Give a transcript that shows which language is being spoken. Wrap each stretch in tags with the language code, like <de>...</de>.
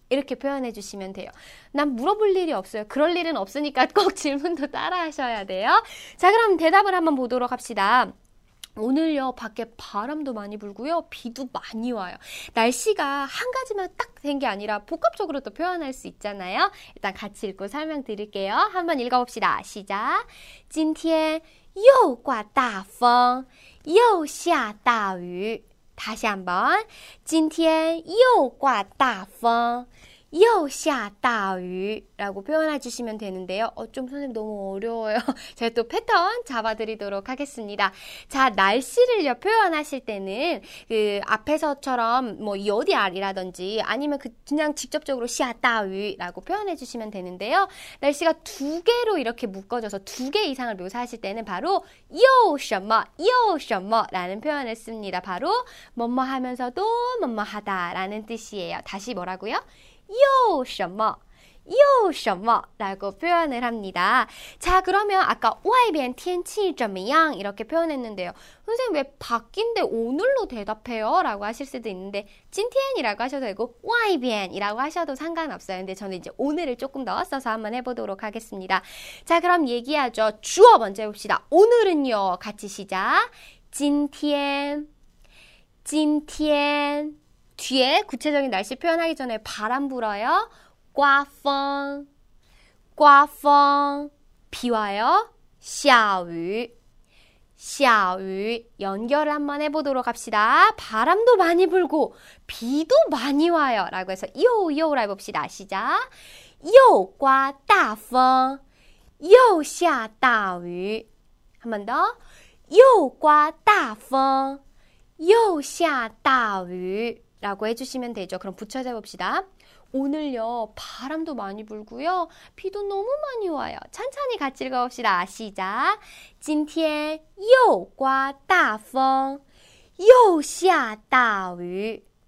<ko>이렇게 표현해 주시면 돼요. 난 물어볼 일이 없어요. 그럴 일은 없으니까 꼭 질문도 따라 하셔야 돼요. 자, 그럼 대답을 한번 보도록 합시다. 오늘요, 밖에 바람도 많이 불고요, 비도 많이 와요. 날씨가 한 가지만 딱된게 아니라 복합적으로 또 표현할 수 있잖아요. 일단 같이 읽고 설명드릴게요. 한번 읽어봅시다. 시작.</ko> <zh>今天又刮大风，又下大雨。</zh> <ko>다시 한번.</ko> <zh>今天又刮大风。又下大雨</zh> <ko>라고 표현해 주시면 되는데요. 좀 선생님 너무 어려워요. 제가 또 패턴 잡아드리도록 하겠습니다. 자, 날씨를요 표현하실 때는 그 앞에서처럼 뭐 요디알이라든지 아니면 그 그냥 직접적으로</ko> <zh>下大雨</zh> <ko>라고 표현해 주시면 되는데요. 날씨가 두 개로 이렇게 묶어져서 두개 이상을 묘사하실 때는 바로 요什么요什么라는 표현을 씁니다. 바로 뭐뭐하면서도 뭐뭐하다라는 뜻이에요. 다시 뭐라고요? 요什么?요什么?라고 표현을 합니다. 자, 그러면 아까</ko> <zh>外边天气怎么样?</zh> <ko>이렇게 표현했는데요. 선생님, 왜 바뀐데 오늘로 대답해요? 라고 하실 수도 있는데, 今天이라고 하셔도 되고, 外边이라고 하셔도 상관없어요. 근데 저는 이제 오늘을 조금 더 써서 한번 해보도록 하겠습니다. 자, 그럼 얘기하죠. 주어 먼저 해봅시다. 오늘은요. 같이 시작.</ko> <zh>今天.今天.</zh> <ko>뒤에 구체적인 날씨 표현하기 전에 바람 불어요.</ko> <zh>刮风, 刮风,</zh> <ko>비 와요.</ko> <zh>下雨, 下雨.</zh> <ko>연결을 한번 해보도록 합시다. 바람도 많이 불고 비도 많이 와요. 라고 해서 요요라 해봅시다. 시작.</ko> <zh>又刮大风, 又下大雨.</zh> <ko>한번 더.</ko> <zh>又刮大风, 又下大雨.</zh> <ko>라고 해주시면 되죠. 그럼 붙여서 해봅시다. 오늘요, 바람도 많이 불고요. 비도 너무 많이 와요. 천천히 같이 읽어봅시다. 시작.</ko> <zh>今天又刮大风,又下大雨.</zh>